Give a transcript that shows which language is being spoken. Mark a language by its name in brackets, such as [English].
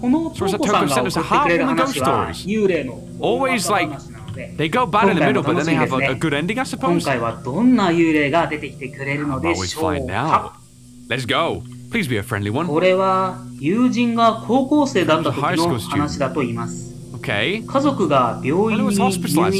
[Japanese] このトーコさんが送ってくれる話は幽霊の [English] Always like, they go bad in the middle, but then they have a good ending, I suppose. [Japanese] 今回はどんな幽霊が出てきてくれるのでしょうか。 [English] How about we find out? Let's go. Please be a friendly one. [Japanese] これは友人が高校生だった時の話だと言います。 [English] Okay. [Japanese] 家族が病院に入院することになり、